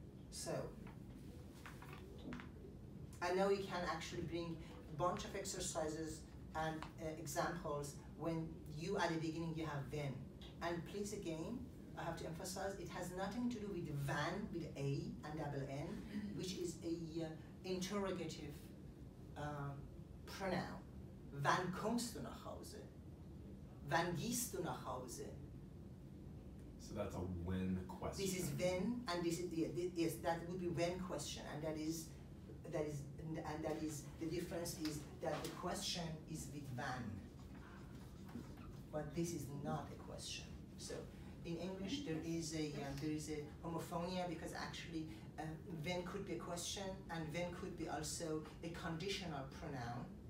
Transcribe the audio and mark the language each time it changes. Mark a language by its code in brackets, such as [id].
[en] So, I know you can actually bring a bunch of exercises and examples when you at the beginning you have when. And please again, I have to emphasize, it has nothing to do with van, with A and double N, which is a interrogative pronoun. [de] Wann kommst du nach Hause? Wann gehst du nach Hause? [en] So that's a when question. This is when, and this is yes, that would be when question, and that is the difference is that the question is with when, but this is not a question. So in English, there is a homophonia, because actually when could be a question, and when could be also a conditional pronoun.